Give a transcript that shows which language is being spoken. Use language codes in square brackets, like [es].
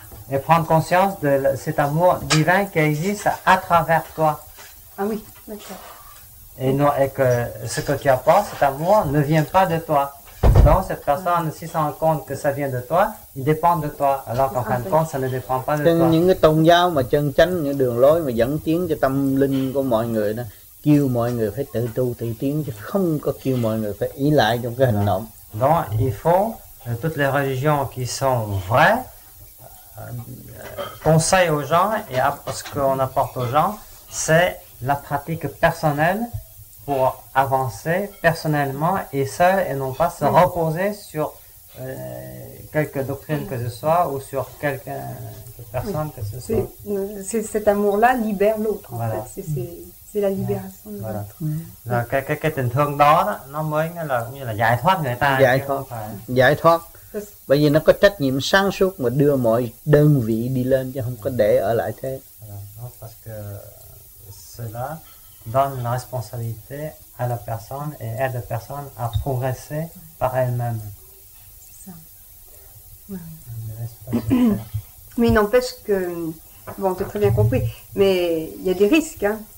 [fr] Et prendre conscience de cet amour divin qui existe à travers toi. Ah oui, d'accord. Et non, et que ce que tu apportes, cet amour, ne vient pas de toi. Donc cette personne, s'il se rend compte que ça vient de toi, il dépend de toi. Alors qu'en fin de compte, ça ne dépend pas de toi. [vi] Những cái tôn giáo mà chân chánh, những đường lối mà dẫn tiến cho tâm linh của mọi người đó, kêu mọi người phải tự tu tự tiến chứ không có kêu mọi người phải ý lại trong cái hành động. [fr] Donc il faut toutes les religions qui sont vraies conseillent aux gens et ce qu'on apporte aux gens, c'est la pratique personnelle pour avancer personnellement et seul et non pas se reposer sur quelque doctrine que ce soit ou sur quelque personne que ce soit. C'est cet amour-là libère l'autre. Voilà. En fait. C'est la libération voilà. De l'autre. [vi] Cái tình thương đó nó mới là như là giải thoát người ta. Giải thoát. Bởi vì nó có trách nhiệm sáng suốt mà đưa mọi đơn vị đi lên chứ không có để ở lại thế. [fr] Parce que cela donne la responsabilité à la personne et aide la personne à progresser par elle-même. C'est ça. Ouais. Mais il n'empêche que, bon, t'as très bien compris, mais il y a des risques. Hein.